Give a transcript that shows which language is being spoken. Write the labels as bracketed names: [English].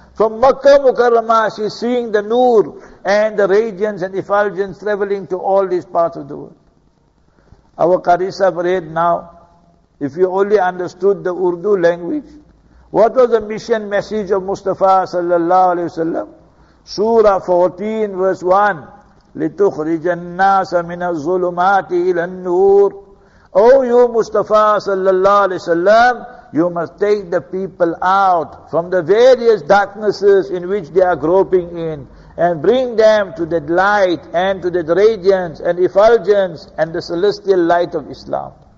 [English] From Makkah Mukarramah, she's seeing the nur and the radiance and effulgence traveling to all these parts of the world. Our Qarisa read now, if you only understood the Urdu language, what was the mission message of Mustafa sallallahu alayhi wa sallam? Surah 14 verse 1, [Arabic] لِتُخْرِجَ النَّاسَ مِنَ الظُّلُمَاتِ إِلَى النُّورِ. [English] Oh you Mustafa sallallahu alayhi wa sallam, you must take the people out from the various darknesses in which they are groping in, and bring them to the light and to the radiance and effulgence and the celestial light of Islam.